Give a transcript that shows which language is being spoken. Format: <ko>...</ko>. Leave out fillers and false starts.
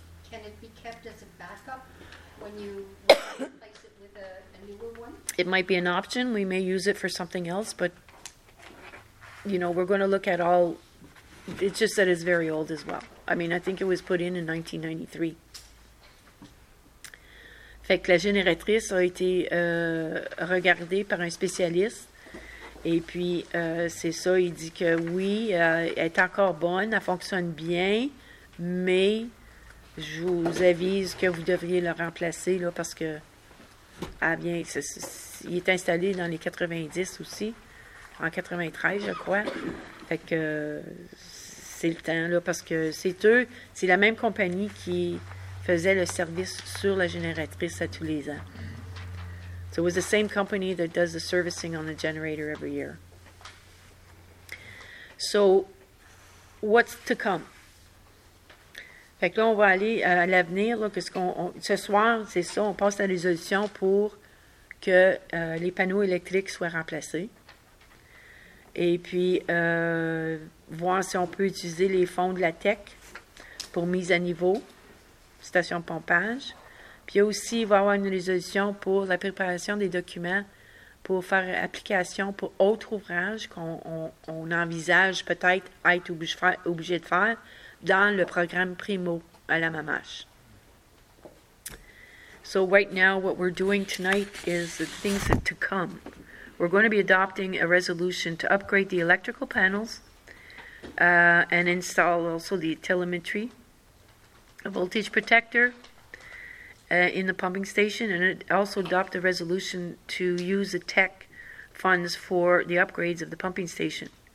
<en>Can it be kept as a backup when you replace it with a newer one? It might be an option. We may use it for something else, but, you know, we're going to look at all. It's just that it's very old as well. I mean, I think it was put in 1993.</en> <fr>Fait que la génératrice a été regardée par un spécialiste. Et puis, c'est ça, il dit que oui, elle est encore bonne, elle fonctionne bien, mais je vous avise que vous devriez la remplacer, là, parce que, ah bien, il est installé dans les 90 aussi, en 93, je crois. Fait que c'est le temps, là, parce que c'est eux, c'est la même compagnie qui faisait le service sur la génératrice à tous les ans.</fr> <en>So it was the same company that does the servicing on the generator every year. So what's to come?</en> <fr>Fait que là, on va aller à l'avenir. Là, parce qu'on, ce soir, c'est ça, on passe la résolution pour que les panneaux électriques soient remplacés. Et puis, voir si on peut utiliser les fonds de la TEC pour mise à niveau. Station pompage. Puis aussi, il va y avoir une résolution pour la préparation des documents pour faire application pour autre ouvrage qu'on on envisage peut-être être obligé de faire dans le programme Primo à la Mamache.</fr> <en>So right now, what we're doing tonight is the things that to come. We're going to be adopting a resolution to upgrade the electrical panels and install also the telemetry. A voltage protector in the pumping station, and it also adopted a resolution to use the TEC funds for the upgrades of the pumping station.</en>